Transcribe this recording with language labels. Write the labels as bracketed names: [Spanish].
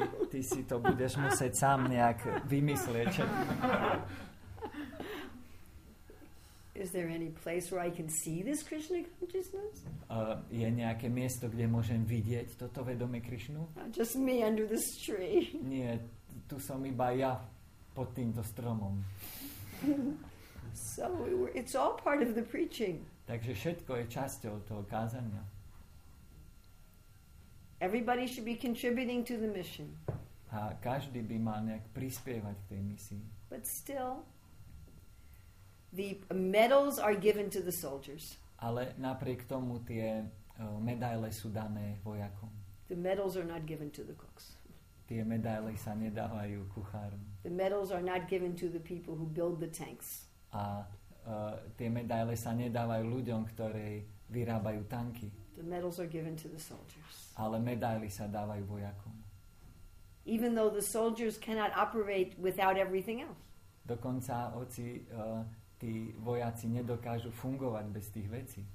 [Slovak] Ty si to budeš musieť sám nejak vymyslieť. [English] Is there any place where I can see this Krishna consciousness? [Slovak] Je nejaké miesto, kde môžem vidieť toto vedomie Krišnu? [English] Just me under this tree. [Slovak] Nie, tu som iba ja pod týmto stromom. [English] So it's all part of the preaching. [Slovak] Takže všetko je časťou toho kázania. [English] Everybody should be contributing to the mission. [Slovak] A každý by mal nejak prispievať k tej misii. [English] But still, the medals are given to the soldiers. [Slovak] Ale napriek tomu tie medaile sú dané vojakom. [English] The medals are not given to the cooks. [Slovak] Tie medaile sa nedávajú kuchárom. [English] The medals are not given to the people who build the tanks. [Slovak] A tie medaile sa nedávajú ľuďom, ktorí vyrábajú tanky. [English] The medals are given to the soldiers. [Slovak] Ale medaily sa dávajú vojakom. [English] Even though the soldiers cannot operate without everything else. [Slovak] Dokonca hoci tí vojaci nedokážu fungovať bez tých vecí.